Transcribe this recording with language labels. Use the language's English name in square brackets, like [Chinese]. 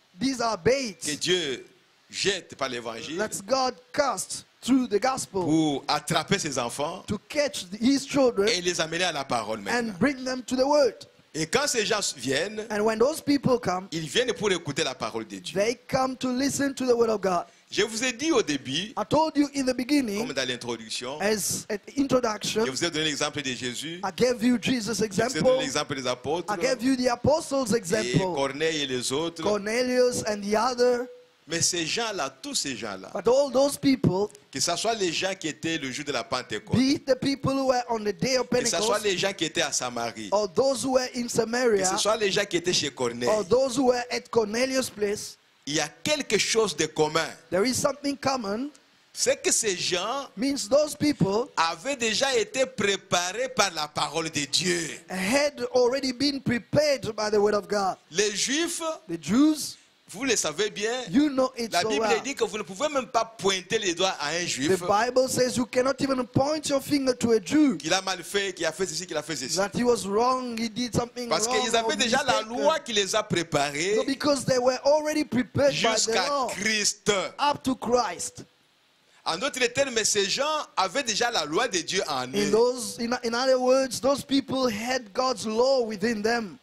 [English] These are baits. [French] Que Dieu jette par l'évangile. [English] That God casts through the gospel. [French] Pour attraper ses enfants. [English] To catch his children. [French] Et les amener à la parole maintenant. [English] And bring them to the word. [French] Et quand ces gens viennent. [English] And when those people come. [French] Ils viennent pour écouter la parole de Dieu. [English] They come to listen to the word of God. [French] Je vous ai dit au début, [English] I told you in the beginning, [French] comme dans l'introduction, [English] as an introduction, [French] je vous ai donné l'exemple de Jésus, [English] I gave you Jesus example, [French] je vous ai donné l'exemple des apôtres, [English] I gave you the apostles example, [French] et Corneille et les autres, [English] Cornelius and the other, [French] Mais ces gens-là, tous ces gens-là, [English] but all those people, [French] que ce soit les gens qui étaient le jour de la Pentecôte, [English] be it the people who were on the day of Pentecost, [French] que ce soit les gens qui étaient à Samarie, [English] or those who were in Samaria, [French] que ce soit les gens qui étaient chez [English] Cornelius, or those who were at Cornelius' place, [French] il y a quelque chose de commun. [English] There is something common. [French] C'est que ces gens, [English] means those people, [French] avaient déjà été préparés par la parole de Dieu. [English] Had already been prepared by the word of God. [French] Les Juifs, [English] the Jews, [French] vous le savez bien. [English] You know it [French] la Bible [English] so well. [French] Dit que vous ne pouvez même pas pointer les doigts à un Juif. [English] The Bible says you cannot even point your finger to a Jew. [French] Qu'il a mal fait, qu'il a fait ceci, qu'il a fait ceci. [English] That he was wrong, he did something [French] parce [English] wrong. [French] Parce qu'ils avaient déjà la loi qui les a préparés. [English] So because they were already prepared [French] jusqu'à [English] by the law, [French] Christ. [English] Up to Christ. [French] En d'autres termes, ces gens avaient déjà la loi de Dieu en eux. [English] In other words, those people had God's law within them.